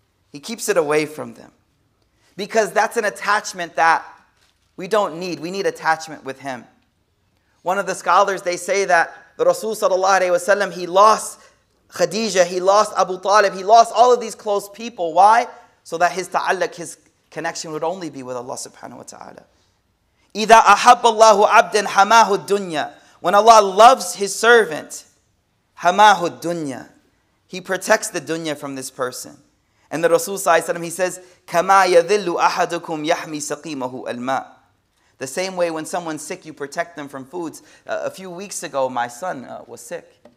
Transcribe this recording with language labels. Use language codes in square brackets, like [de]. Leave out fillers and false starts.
[en] He keeps it away from them. Because that's an attachment that we don't need. We need attachment with him. One of the scholars, they say that the Rasul sallallahu alayhi wa sallam, he lost Khadijah, he lost Abu Talib, he lost all of these close people. Why? So that his ta'allaq, his connection would only be with Allah subhanahu wa ta'ala. [ar] إِذَا أَحَبَّ اللَّهُ عَبْدًا حَمَاهُ الدُّنْيَا. [en] When Allah loves his servant, [ar] حَمَاهُ الدُّنْيَا, [en] he protects the dunya from this person. And the Rasul sallallahu alayhi wa sallam, he says, [ar] كَمَا يَذِلُّ أَحَدُكُمْ يَحْمِي سَقِيمَهُ الْمَاءِ. [en] The same way when someone's sick, you protect them from foods. A few weeks ago, my son was sick.